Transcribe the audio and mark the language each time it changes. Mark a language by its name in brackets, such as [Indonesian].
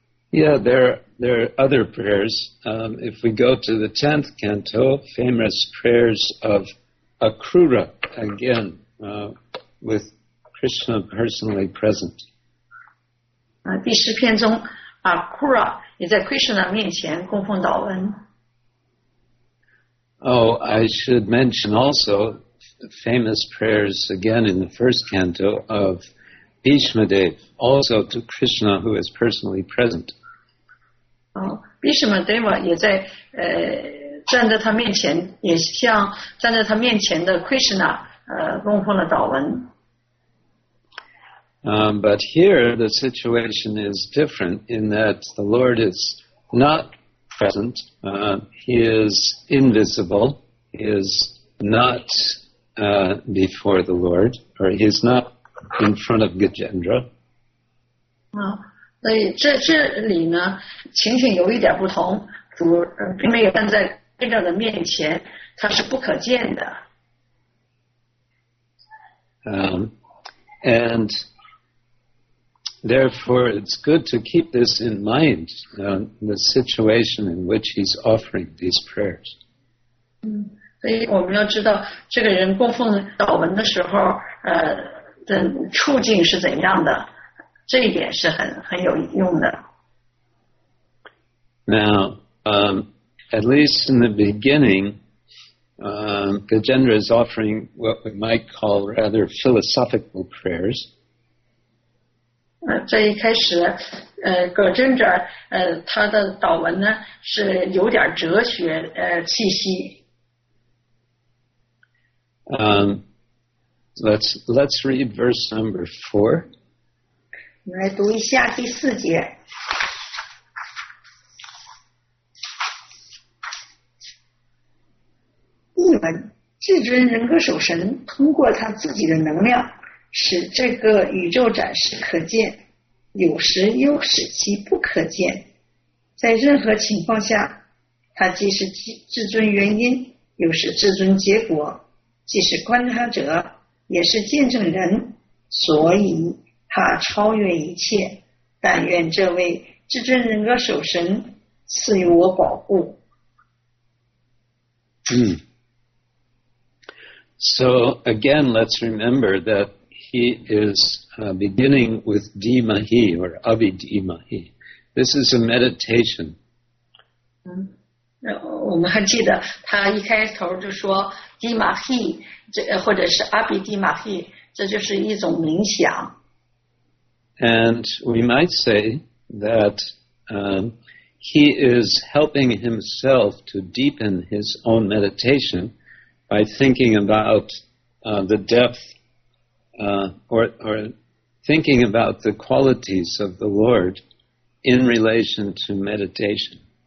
[English] There are other prayers. If we go to the 10th canto, famous prayers of Akrura, again, with Krishna personally present. [Chinese] 第十篇中 ,Akrura 也在 Krishna 面前供奉祷文。 [English] Oh, I should mention also famous prayers again in the first canto of Bhishmadev, also to Krishna who is personally present. [Chinese] Bhishma Deva 也在站在他面前，也向站在他面前的 Krishna 供奉了祷文。 [English] But here the situation is different in that the Lord is not present. He is invisible. He is not before the Lord, or he is not in front of Gajendra. [Chinese] 所以这里呢情形有一点不同，主并没有站在真正的面前，他是不可见的。 [English] And therefore it's good to keep this in mind, the situation in which he's offering these prayers. [Chinese] 所以我们要知道这个人供奉祷文的时候的处境是怎样的。这一点是很有用的。 [English] Now, at least in the beginning, Gajendra is offering what we might call rather philosophical prayers. [Chinese] 这一开始，Gajendra, 他的祷文呢是有点哲学气息。 [English] Let's read verse number 4. [Chinese] 来读一下第四节。译文：至尊人格守神通过他自己的能量，使这个宇宙暂时可见，有时又使其不可见。在任何情况下，他既是至尊原因，又是至尊结果，既是观察者，也是见证人，所以。他超越一切，但愿这位至尊人格守神赐予我保护。 [English] So again, let's remember that he is beginning with Dhimahi or Abhidhimahi. This is a meditation. [Chinese] 我们还记得他一开头就说 Dhimahi 或者是 Abhidhimahi， 这就是一种冥想。 [English] And we might say that he is helping himself to deepen his own meditation by thinking about the depth or thinking about the qualities of the Lord in relation to meditation.